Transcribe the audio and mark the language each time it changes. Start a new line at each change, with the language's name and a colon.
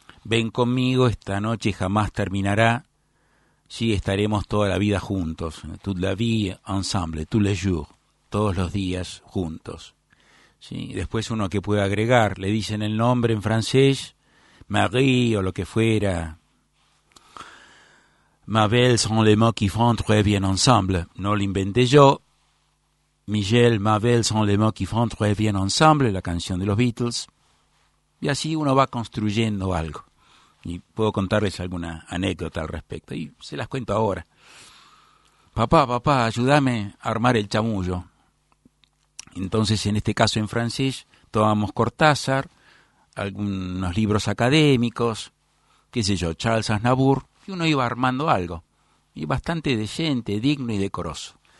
Spanish: ven conmigo, esta noche jamás terminará, sí, estaremos toda la vida juntos,
French: toute la vie ensemble, tous les jours,
Spanish: todos los días juntos. Sí, después uno que puede agregar, le dicen el nombre en francés, Marie o lo que fuera.
French: Ma belle sont les mots qui font très bien ensemble.
Spanish: No lo inventé yo.
French: Michel, ma belle sont les mots qui font très bien ensemble,
Spanish: la canción de los Beatles. Y así uno va construyendo algo. Y puedo contarles alguna anécdota al respecto. Y se las cuento ahora. Papá, papá, ayúdame a armar el chamuyo. Entonces, en este caso en francés, tomamos Cortázar, algunos libros académicos, qué sé yo, Charles Aznavour, y uno iba armando algo, y bastante decente, digno y decoroso.